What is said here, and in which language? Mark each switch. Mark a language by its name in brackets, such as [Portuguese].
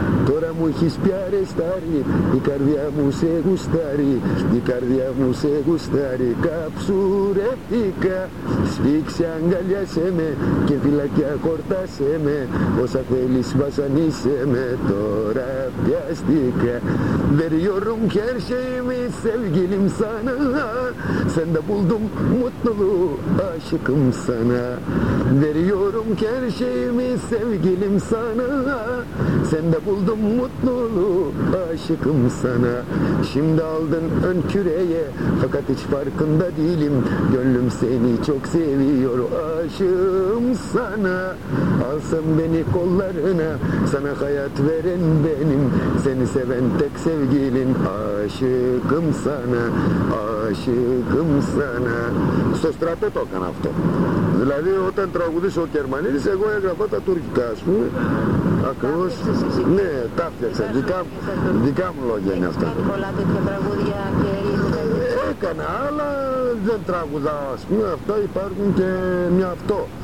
[Greek] Τώρα μου έχεις πια ρεστάρει, η καρδιά μου σε γουστάρει, η καρδιά μου σε γουστάρει. Καψουρεύτηκα, σφίξε αγκαλιά σε με και φυλακιά χορτάσε με, όσα θέλεις βασανίσε με, τώρα πιάστηκα. [Turkish] Veriyorum her şeyimi sevgilim sana, sen de buldum mutluluğu aşıkım sana. Veriyorum her şeyimi sevgilim sana. Sen de buldun mutluluğu, aşıkım sana. Şimdi aldın ön küreye, fakat hiç farkında değilim. Gönlüm seni çok seviyor, aşığım sana. Alsın beni kollarına, sana hayat veren benim. Seni seven tek sevgilim, aşıkım sana, aşıkım sana. [Greek] Στο στρατό το έκανα αυτό. Δηλαδή όταν τραγουδήσε ο Κερμανίδης, εγώ έγραφα τα τουρκικά, ας πούμε. Ακριβώς. Ναι, τα έφτιαξα. Δικά μου λόγια είναι αυτά. Έχεις κάνει πολλά τέτοια τραγούδια και ελληνικά. Έκανα, αλλά δεν τραγουδά, ας πούμε. Αυτά υπάρχουν και με αυτό.